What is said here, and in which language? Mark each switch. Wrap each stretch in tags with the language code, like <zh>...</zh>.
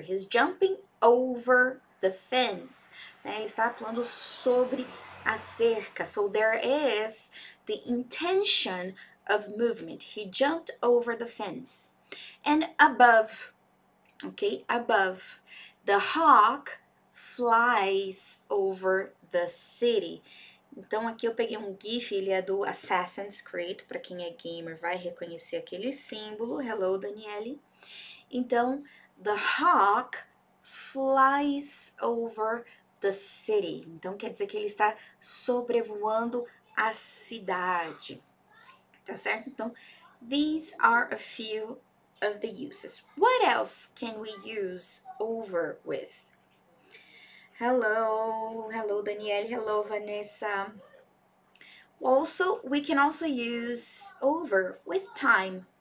<en>He's jumping over the fence.</en> <pt>Né? Ele está pulando sobre acerca.</pt> <en>So there is the intention of movement. He jumped over the fence. And above, okay, above, the hawk flies over the city.</en> <pt>Então aqui eu peguei um GIF, ele é do Assassin's Creed. Para quem é gamer, vai reconhecer aquele símbolo.</pt> <en>Hello, Daniele. Então, the hawk flies over the city.</en> <pt>Então quer dizer que ele está sobrevoando a cidade. Tá certo?</pt> <en>Então, these are a few of the uses. What else can we use over with? Hello, hello, Danielle. Hello, Vanessa. Also, we can also use over with time.</en>